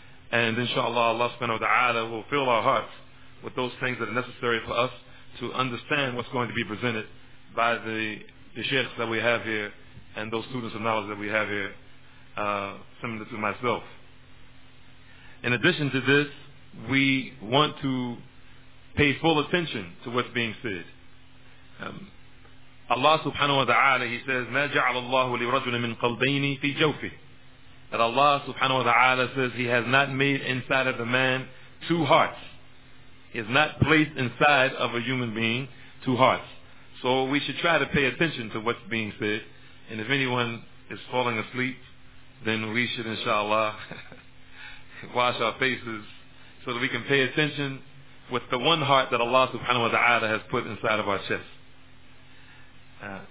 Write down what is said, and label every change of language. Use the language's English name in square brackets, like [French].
[English] And inshallah, Allah subhanahu wa ta'ala will fill our hearts with those things that are necessary for us to understand what's going to be presented by the sheikhs that we have here and those students of knowledge that we have here, similar to myself. In addition to this, we want to pay full attention to what's being said. [Arabic] Allah subhanahu wa ta'ala, [English] He says, [Arabic] مَا جَعَلَ اللَّهُ لِرَجُلٍ مِّن قَلْبَيْنِ فِي جَوْفِهِ. [English] That Allah subhanahu wa ta'ala says, He has not made inside of the man two hearts. He has not placed inside of a human being two hearts. So we should try to pay attention to what's being said. And if anyone is falling asleep, then we should, inshallah, wash our faces so that we can pay attention with the one heart that Allah subhanahu wa ta'ala has put inside of our chest.